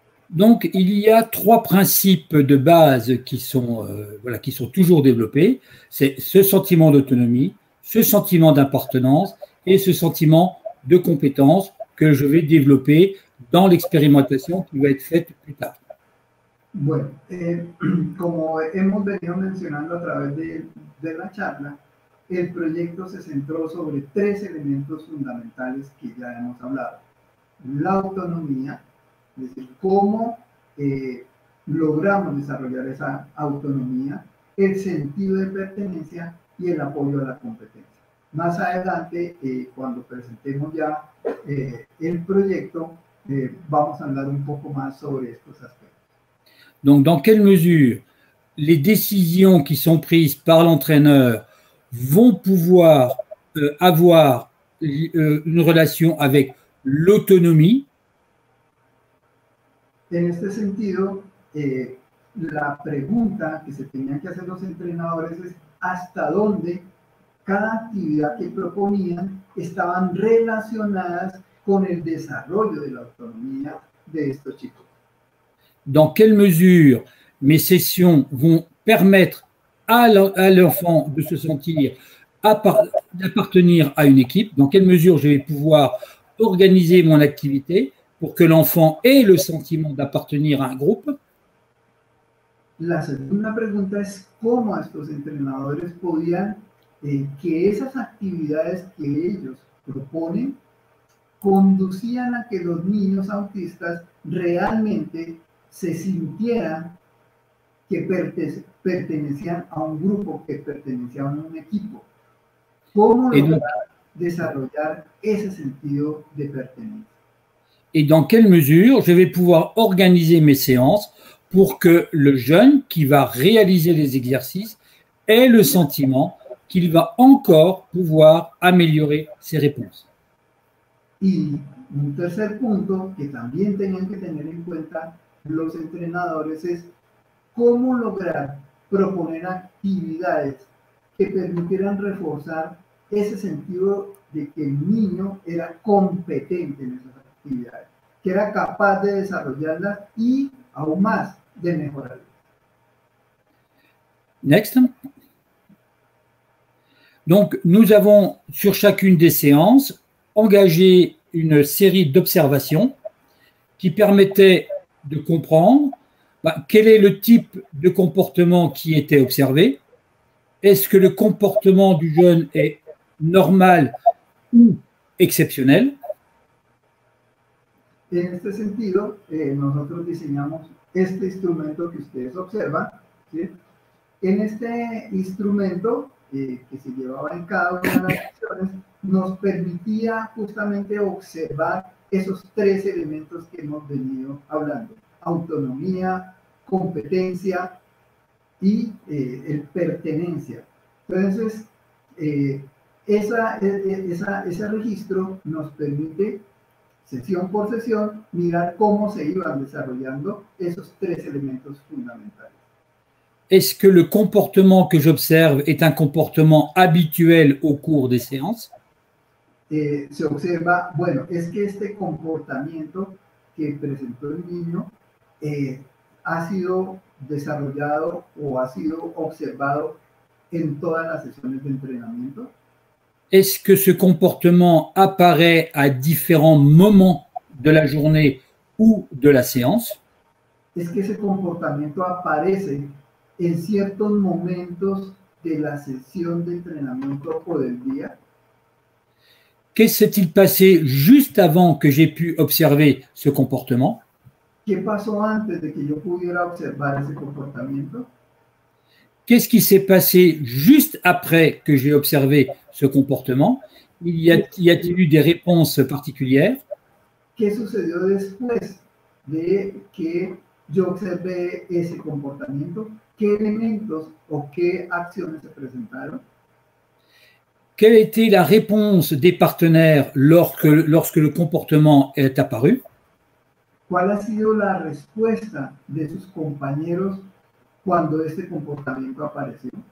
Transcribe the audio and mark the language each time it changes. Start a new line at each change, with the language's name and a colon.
French: Donc, il y a trois principes de base qui sont toujours développés. C'est ce sentiment d'autonomie, ce sentiment d'appartenance et ce sentiment de compétence que je vais développer dans l'expérimentation qui va être faite plus tard.
Spanish: Bueno, como hemos venido mencionando a través de la charla, el proyecto se centró sobre tres elementos fundamentales que ya hemos hablado. La autonomía, es decir, cómo logramos desarrollar esa autonomía, el sentido de pertenencia y el apoyo a la competencia. Más adelante, cuando presentemos ya el proyecto, vamos a hablar un poco más sobre estos aspectos.
French: Donc, dans quelle mesure les décisions qui sont prises par l'entraîneur vont pouvoir avoir une relation avec l'autonomie?
Spanish: En este sentido, la pregunta que se tenían que hacer los entrenadores es hasta dónde cada actividad que proponían estaban relacionadas con el desarrollo de la autonomía de estos chicos.
French: ¿Dans quelle mesure mes sessions vont permettre à l'enfant de se sentir d'appartenir à une équipe? ¿Dans quelle mesure je vais pouvoir organiser mon activité pour que l'enfant ait le sentiment d'appartenir à un groupe?
Spanish: La segunda pregunta es cómo estos entrenadores podían que esas actividades que ellos proponen conducían a que los niños autistas realmente se sintieran que pertenecían a un grupo, que pertenecían a un equipo. ¿Cómo lograr desarrollar ese sentido de pertenencia?
French: Et dans quelle mesure je vais pouvoir organiser mes séances pour que le jeune qui va réaliser les exercices ait le sentiment qu'il va encore pouvoir améliorer ses réponses.
Spanish: Y un tercer punto que también tienen que tener en cuenta los entrenadores es cómo lograr proponer actividades que permitieran reforzar ese sentido de que el niño era competente en esas actividades, que era capaz de desarrollarlas y aún más de mejorarlas.
English: Next.
French: Donc, nous avons sur chacune des séances engagé une série d'observations qui permettaient de comprendre quel est le type de comportement qui était observé. Est-ce que le comportement du jeune est normal ou exceptionnel?
Spanish: En este sentido, nosotros diseñamos este instrumento que ustedes observan. ¿Sí? En este instrumento que se llevaba en cada una de las sesiones, nos permitía justamente observar esos tres elementos que hemos venido hablando. Autonomía, competencia y el pertenencia. Entonces, ese registro nos permite, sesión por sesión, mirar cómo se iban desarrollando esos tres elementos fundamentales.
French: Est-ce que le comportement que j'observe est un comportement habituel au cours des séances?
Spanish: Se observa, bueno, es que este comportamiento que presentó el niño ha sido desarrollado o ha sido observado en todas las sesiones de entrenamiento.
French: Est-ce que ce comportement apparaît à différents moments de la journée ou de la séance?
Spanish: Es que ese comportamiento aparece en ciertos momentos de la sesión de entrenamiento o del día.
French: ¿Qué s'est-il passé juste avant que j'ai pu observer ce comportement? ¿Qué pasó antes de que yo pudiera observar ese comportamiento? ¿Qué s'est passé juste après que j'ai observé ce comportement? ¿Y a-t-il eu des réponses particulières?
Spanish: ¿Qué sucedió después de que yo observé ese comportamiento? ¿Qué elementos o qué acciones se presentaron?
French: ¿Quelle était la réponse des partenaires lorsque le comportement est apparu?
Spanish: ¿Cuál ha sido la respuesta de sus compañeros cuando este comportamiento apareció?